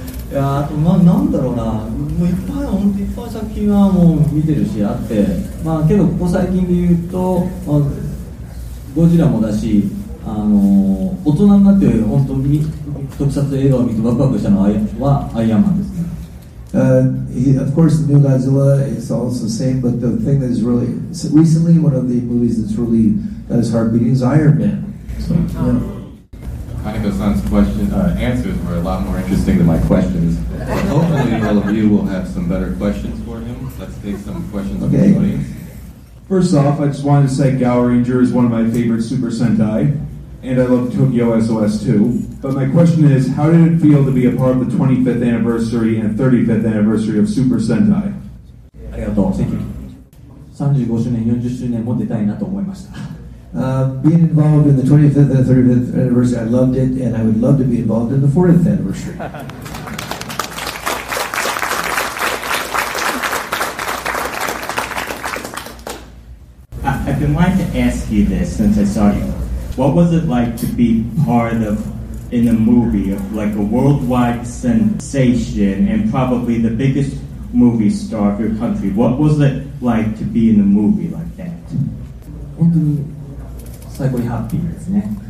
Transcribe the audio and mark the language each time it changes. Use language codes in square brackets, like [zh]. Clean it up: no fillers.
[ja] いやあとまあなんだろうな、もういっぱい本当いっぱい作品はもう見てるしあって、まあけどここ最近で言うと、まあ、ゴジラもだし、大人になって本当に特撮映画を見てワクワクしたのはアイアンマンですね。 [en] Of course, the new Godzilla is also the same, but the thing that is really recently one of the movies that's really that is heart beating is Iron Man. So, yeah. Kaneko-san's question, answers were a lot more interesting than my questions. Hopefully, all of you will have some better questions for him. Let's take some questions from the audience. First off, I just wanted to say Gowranger is one of my favorite Super Sentai. And I love Tokyo SOS too. But my question is, how did it feel to be a part of the 25th anniversary and 35th anniversary of Super Sentai? [ja] ありがとう。 [en] Thank you. [ja] 35周年、40周年も出たいなと思いました。 [en] Being involved in the 25th and 35th anniversary, I loved it, and I would love to be involved in the 40th anniversary. I've been wanting to ask you this since I saw you. What was it like to be part of in a movie of like a worldwide sensation and probably the biggest movie star of your country? What was it like to be in a movie like that? [ja] 本当に最高にハッピーですね。